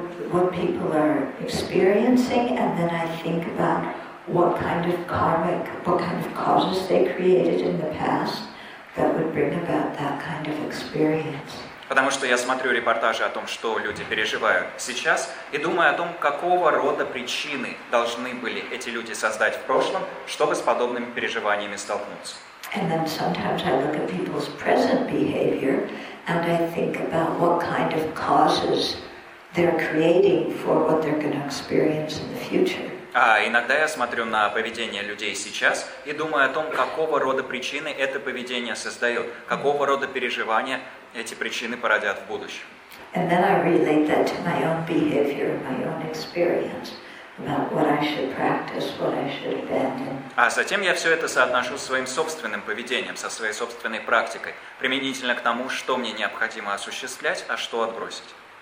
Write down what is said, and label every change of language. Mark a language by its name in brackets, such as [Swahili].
[English] What people are experiencing, and then I think about what kind of karmic, what kind of causes they created in the past that would bring about that kind of experience. [Russian] Потому что я смотрю репортажи о том, что люди переживают сейчас, и думаю о том, какого рода причины должны были эти люди создать в прошлом, чтобы с подобными переживаниями столкнуться. [English] And then sometimes I look at people's present behavior, and I think about what kind of causes they're creating for what they're going to experience in the future. [Russian] А иногда я смотрю на поведение людей сейчас и думаю о том, какого рода причины это поведение создает, какого рода переживания эти причины породят в будущем. [English] And then I relate that to my own behavior, my own experience about what I should practice, what I should abandon. [Russian] А затем я все это соотношу с своим собственным поведением, со своей собственной практикой, применительно к тому, что мне необходимо осуществлять, а что отбросить.